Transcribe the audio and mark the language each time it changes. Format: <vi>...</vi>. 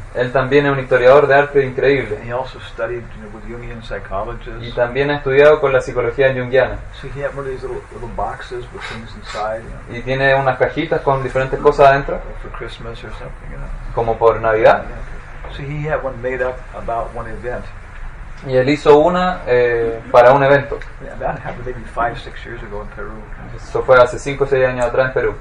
<es>Él también es un historiador de arte increíble.</es> <en>And he also studied, you know, with Jungian psychologists.</en> <es>Y también ha estudiado con la psicología junguiana.</es> <en>So he had one of these little boxes with things inside. You know,</en> <es>y tiene unas cajitas con diferentes cosas adentro.</es> <en>For Christmas or something. You know.</en> <es>Como por Navidad.</es> <en>So he had one made up about one event.</en> <es>Y él hizo una para un evento. Eso fue hace 5 o 6 años atrás en Perú.</es>